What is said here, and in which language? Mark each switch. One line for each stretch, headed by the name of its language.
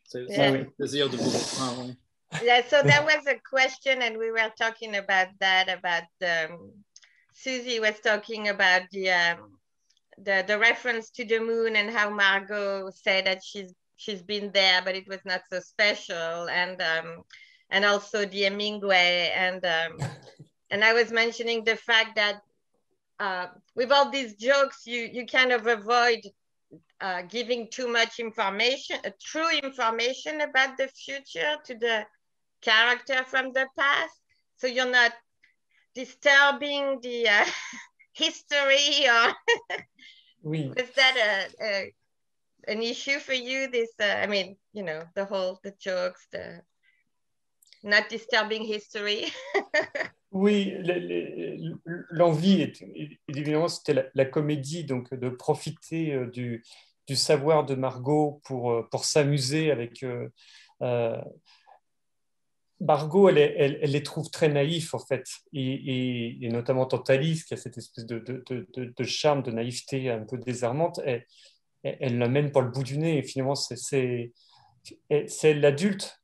French: C'est plaisir de vous voir.
English: Yeah. So that was a question, and we were talking about that. About Susie was talking about the reference to the moon and how Margot said that she's been there, but it was not so special. And also the Hemingway, and I was mentioning the fact that with all these jokes, you kind of avoid giving too much information, true information about the future to the character from the past. So you're not disturbing the history, or
French: oui.
English: Was that an issue for you? This, I mean, you know, the jokes, the not disturbing history.
French: Oui, l'envie est évidemment, c'était la comédie, donc de profiter du savoir de Margot pour s'amuser avec. Margot, elle les trouve très naïfs, en fait, et notamment Tantalis, qui a cette espèce de charme, de naïveté un peu désarmante, elle l'amène par le bout du nez, et finalement, c'est l'adulte.